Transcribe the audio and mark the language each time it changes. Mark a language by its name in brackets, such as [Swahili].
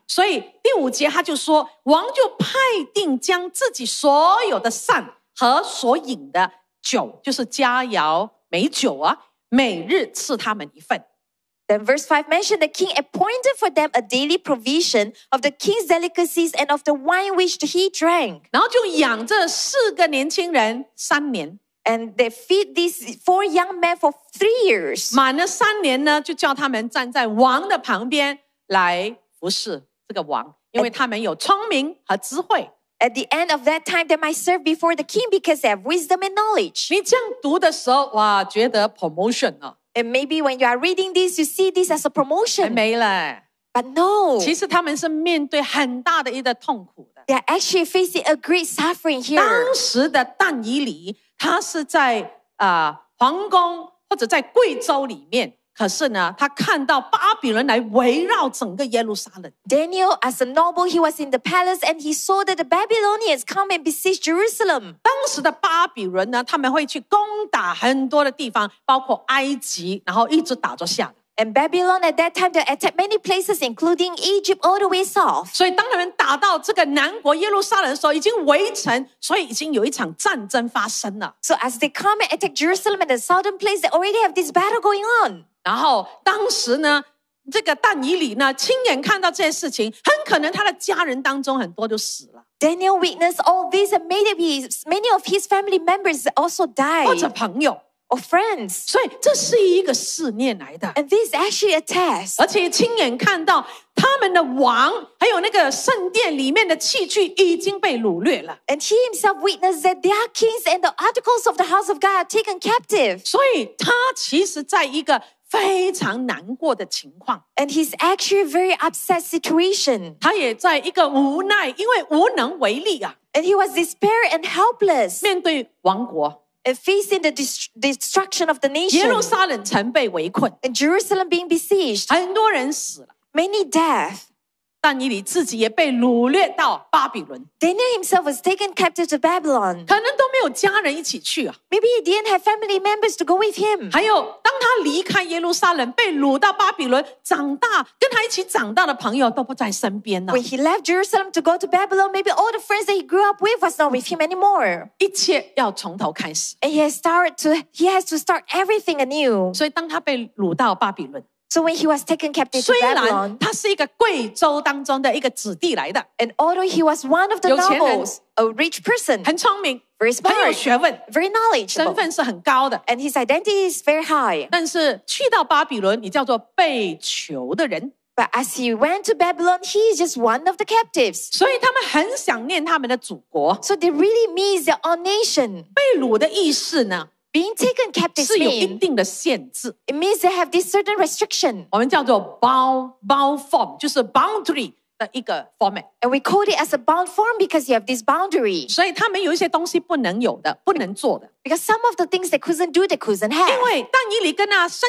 [Chinese] 所以第五节他就说, 王就派定将自己所有的膳和所饮的酒, 就是佳肴美酒啊, 每日赐他们一份。 [English] Then verse 5 mentioned, the king appointed for them a daily provision of the king's delicacies and of the wine which he drank. [Chinese] 然后就养这四个年轻人三年, [English] and they feed these four young men for 3 years. [Chinese] 满了三年呢, 就叫他们站在王的旁边来服侍这个王, 因为他们有聪明和智慧。 [English] At the end of that time, they might serve before the king because they have wisdom and knowledge. [Chinese] 你这样读的时候, 哇, 觉得promotion了。 [English] And maybe when you are reading this, you see this as a promotion. [Chinese] 还没了, [English] but no. [Chinese] 其实他们是面对很大的一个痛苦的。 [English] They are actually facing a great suffering here. [Chinese] 当时的但以理, 他是在, 皇宫或者在贵州里面, 可是呢, 他看到巴比伦来围绕整个耶路撒冷。 [English] Daniel, as a noble, he was in the palace and he saw that the Babylonians come and besiege Jerusalem. [Chinese] 当时的巴比伦呢, 他们会去攻打很多的地方, 包括埃及, 然后一直打着下来。 [English] And Babylon at that time, they attacked many places, including Egypt, all the way south. [Chinese] 所以当他们打到这个南国耶路撒冷的时候, 已经围城, 所以已经有一场战争发生了。 [English] So as they come and attack Jerusalem at the southern place, they already have this battle going on. [Chinese] 然后当时呢, 这个但以理呢, 亲眼看到这些事情, 很可能他的家人当中很多就死了。 [English] Daniel witnessed all this and many of his family members also died. [Chinese] 或者朋友, [English] or friends. [Chinese] 所以这是一个试炼来的。 [English] And this is actually a test. [Chinese] 而且亲眼看到, 他们的王, 还有那个圣殿里面的器具, 已经被掳掠了。 [English] And he himself witnessed that their kings and the articles of the house of God are taken captive. [Chinese] 所以他其实在一个 非常难过的情况, [English] and he's actually a very upset situation. [Chinese] 他也在一个无奈, 因为无能为力, [English] and he was despair and helpless. [Chinese] 面对王国, [English] and facing the destruction of the nation. [Chinese] 耶路撒冷城被围困, [English] and Jerusalem being besieged. [Chinese] 很多人死了, [English] many death. [Chinese] 但以理自己也被掳掠到巴比伦。 [English] Daniel himself was taken captive to Babylon. [Chinese] 可能都没有家人一起去, [English] maybe he didn't have family members to go with him. [Chinese] 还有当他离开耶路撒冷被掳到巴比伦, 长大, 跟他一起长大的朋友都不在身边了。 [English] When he left Jerusalem to go to Babylon, maybe all the friends that he grew up with was not with him anymore. [Chinese] 一切要从头开始。 [English] And he has to start everything anew. [Chinese] 所以当他被掳到巴比伦, [English] so when he was taken captive to Babylon, [Chinese] 虽然他是一个贵州当中的一个子弟来的, [English] and although he was one of the nobles, a rich person, [Chinese] 很聪明, [English] very smart, [Chinese] 很有学问, [English] very knowledgeable, [Chinese] 身份是很高的, [English] and his identity is very high. [Chinese] 但是去到巴比伦, 你叫做被囚的人, [English] but as he went to Babylon, he is just one of the captives. [Chinese] 所以他们很想念他们的祖国, [English] so they really miss their own nation. [Chinese] 被掳的意思呢, [English] being taken captive [Chinese] 是有一定的限制, [English] it means they have this certain restriction. [Chinese] 我们叫做 [English] bound form, [Chinese] 就是 boundary 的一个 format. [English] And we call it as a bound form because you have this boundary. [Chinese] 所以他们有一些东西不能有的, 不能做的, [English] because some of the things they couldn't do, they couldn't have.